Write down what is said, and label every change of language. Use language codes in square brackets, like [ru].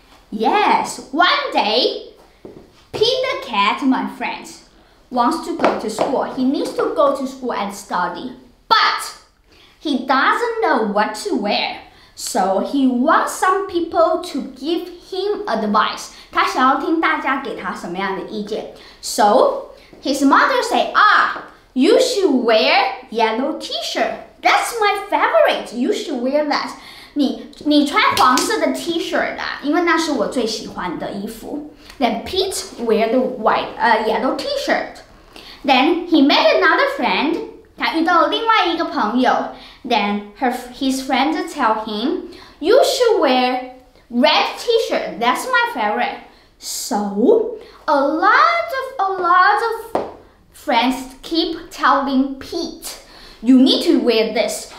[en] Yes, one day, Peter Cat, my friend, wants to go to school. He needs to go to school and study. But he doesn't know what to wear. So he wants some people to give him advice. [zh] 他想要听大家给他什么样的意见。 [en] So his mother said, you should wear yellow t-shirt. That's my favorite. You should wear that. [zh] 你穿黄色的 T-shirt 啊，因为那是我最喜欢的衣服。 [en] Then Pete wear the yellow T-shirt. Then he met another friend. [zh] 他遇到了另外一个朋友。 [en] Then his friend tell him, "You should wear red T-shirt. That's my favorite." So a lot of friends keep telling Pete, "You need to wear this.